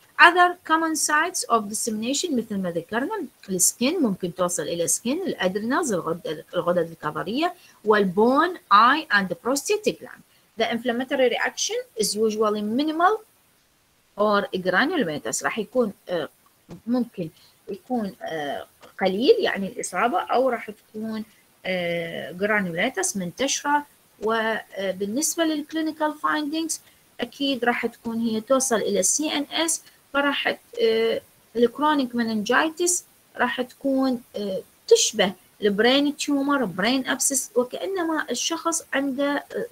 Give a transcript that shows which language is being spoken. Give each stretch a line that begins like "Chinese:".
English: Other common sites of dissemination
Arabic: مثل ما ذكرنا السكن ممكن توصل إلى السكن الأدرينالز الغدد الكظرية والبون آي
English: and the prostate gland. The inflammatory reaction is usually minimal or granulomatous.
Arabic: راح يكون ممكن يكون قليل يعني الإصابة أو راح تكون granulomatous منتشرة. وبالنسبة للclinical findings أكيد راح تكون هي توصل إلى CNS فراح الchronic meningitis راح تكون تشبه البرين تيومر برين ابسس وكانما الشخص عنده